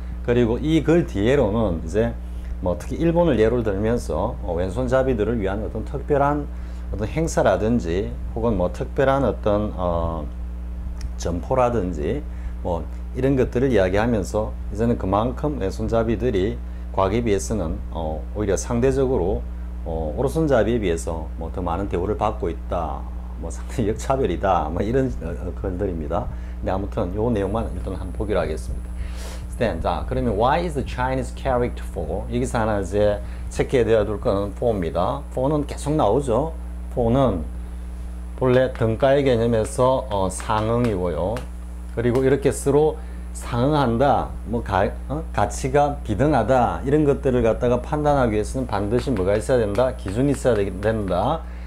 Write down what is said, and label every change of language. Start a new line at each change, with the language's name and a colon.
Korean: 그리고 이글 뒤에로는 이제 뭐 특히 일본을 예로 들면서 왼손잡이들을 위한 어떤 특별한 어떤 행사라든지 혹은 뭐 특별한 어떤 점포라든지 뭐 이런 것들을 이야기하면서 이제는 그만큼 왼손잡이들이 과거에 비해서는 오히려 상대적으로 오른손잡이에 비해서 뭐더 많은 대우를 받고 있다, 뭐 상대 역차별이다, 뭐 이런 글들입니다. 근데 아무튼 요 내용만 일단 한번 보기로 하겠습니다.
English: Stand.
Korean: 자, 그러면
English: why is the Chinese character for?
Korean: 여기서 하나 이제 체크해 둬야 될 거는 for입니다. for는 계속 나오죠. for는 본래 등가의 개념에서 상응이고요. 그리고 이렇게 서로 상응한다, 뭐 가치가 비등하다 이런 것들을 갖다가 판단하기 위해서는 반드시 뭐가 있어야 된다, 기준이 있어야 된다.